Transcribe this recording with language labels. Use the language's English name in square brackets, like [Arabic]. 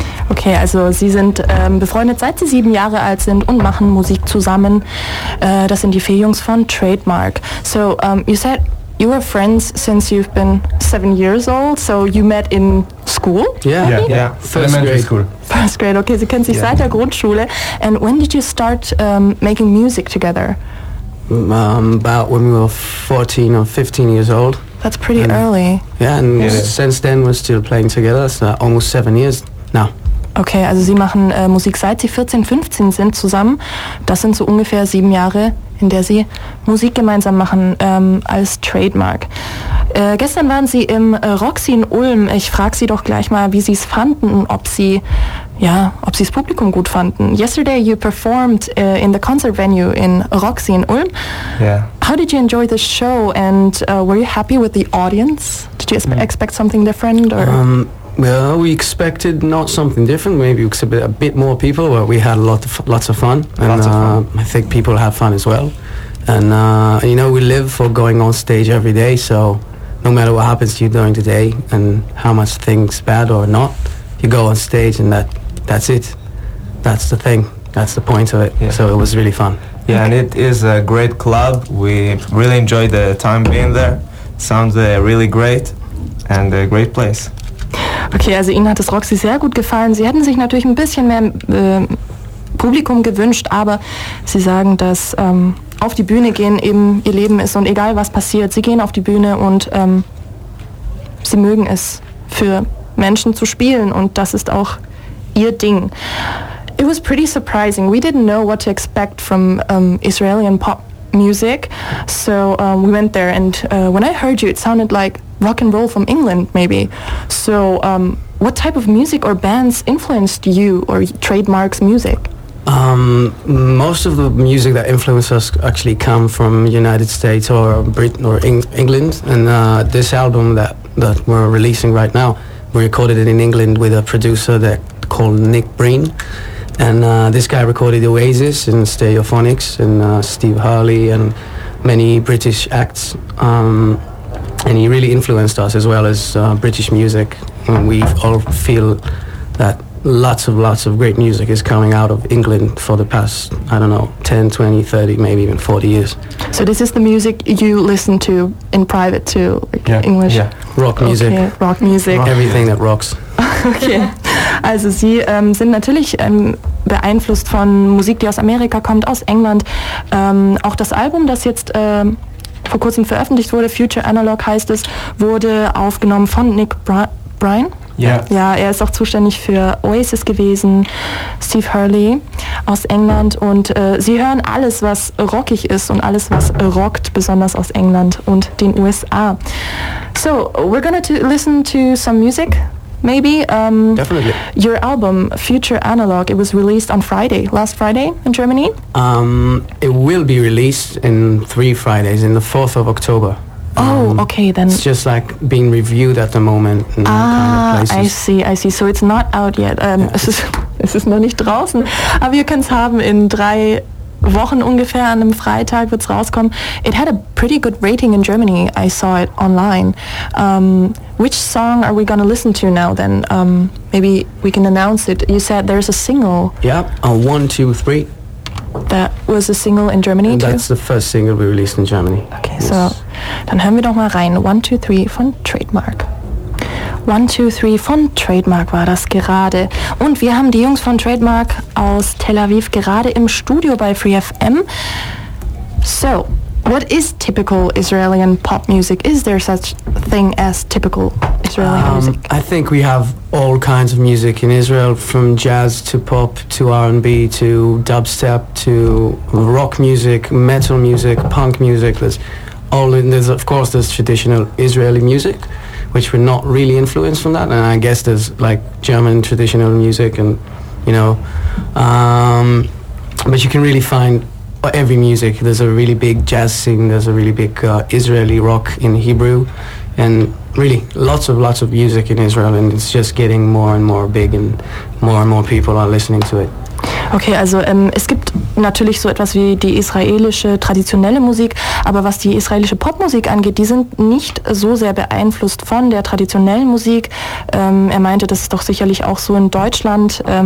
[German] Okay, also Sie sind befreundet, seit Sie 7 Jahre alt sind und machen Musik zusammen. Das sind die 4 Jungs von Trademark. [English] So, you said you were friends since you've been 7 years old, so you met in school? Yeah, first grade. First grade, okay, [German] Sie kennen sich seit der Grundschule. [English] And when did you start making music together? About when we were 14 or 15 years old. That's pretty early. Yeah, and since then we're still playing together, so almost 7 years now. [German] Okay, also Sie machen Musik, seit Sie 14, 15 sind zusammen. Das sind so ungefähr 7 Jahre, in der Sie Musik gemeinsam machen, als Trademark. Gestern waren Sie im Roxy in Ulm. Ich frage Sie doch gleich mal, wie Sie es fanden und ob Sie das Publikum gut fanden. [English] Yesterday you performed in the concert venue in Roxy in Ulm. Yeah. How did you enjoy the show and were you happy with the audience? Did you expect something different or...? Well, we expected not something different. Maybe a bit more people, but we had lots of fun. And I think people have fun as well. And, you know, we live for going on stage every day, so no matter what happens to you during the day and how much things bad or not, you go on stage and that's it. That's the thing. That's the point of it. Yeah. So it was really fun. Yeah, and it is a great club. We really enjoyed the time being there. Sounds really great and a great place. [German] Okay, also Ihnen hat das Roxy sehr gut gefallen. Sie hätten sich natürlich ein bisschen mehr Publikum gewünscht, aber Sie sagen, dass auf die Bühne gehen eben Ihr Leben ist und egal was passiert, Sie gehen auf die Bühne und Sie mögen es, für Menschen zu spielen und das ist auch Ihr Ding. [English] It was pretty surprising. We didn't know what to expect from Israelian pop music, so we went there and when I heard you, it sounded like rock and roll from England, maybe. So, what type of music or bands influenced you or Trademark's music? Most of the music that influenced us actually come from United States or Britain or England. And this album that we're releasing right now, we recorded it in England with a producer that called Nick Breen. And this guy recorded Oasis and Stereophonics and Steve Harley and many British acts. And he really influenced us as well as British music. And we all feel that lots of great music is coming out of England for the past, I don't know, 10, 20, 30, maybe even 40 years. So this is the music you listen to in private too, English? Yeah, rock music. Okay. Rock music. Everything that rocks. Okay. [German] Also Sie sind natürlich beeinflusst von Musik, die aus Amerika kommt, aus England. Auch das Album, das jetzt... vor kurzem veröffentlicht wurde, Future Analog heißt es, wurde aufgenommen von Nick Breen. Ja, er ist auch zuständig für Oasis gewesen, Steve Hurley aus England und sie hören alles, was rockig ist und alles, was rockt, besonders aus England und den USA. [English] So, we're gonna listen to some music, maybe. Definitely. Your album, Future Analog, it was released on Friday, last Friday in Germany? It will be released in 3 Fridays, in the 4th of October. Oh, okay, then. It's just like being reviewed at the moment. In I see. So it's not out yet. [German] Es ist noch nicht draußen. Aber ihr könnt es haben in 3 Wochen ungefähr, an einem Freitag wird es rauskommen. [English] It had a pretty good rating in Germany, I saw it online. Which song are we gonna listen to now then? Maybe we can announce it. You said there's a single. Yep, One, Two, Three. That was a single in Germany and too? That's the first single we released in Germany. Okay, yes. [German] So dann hören wir doch mal rein. One, Two, Three von Trademark. One, Two, Three von Trademark war das gerade. Und wir haben die Jungs von Trademark aus Tel Aviv gerade im Studio bei Free FM. So, [English] What is typical Israeli pop music? Is there such thing as typical Israeli music? I think we have all kinds of music in Israel, from jazz to pop to R&B to dubstep to rock music, metal music, punk music. There's of course there's traditional Israeli music, which we're not really influenced from that, and I guess there's like German traditional music, and you know, but you can really find every music. There's a really big jazz scene, there's a really big Israeli rock in Hebrew, and really lots of music in Israel, and it's just getting more and more big and more people are listening to it. [German] Okay, also es gibt natürlich so etwas wie die israelische traditionelle Musik, aber was die israelische Popmusik angeht, die sind nicht so sehr beeinflusst von der traditionellen Musik. Er meinte, das ist doch sicherlich auch so in Deutschland.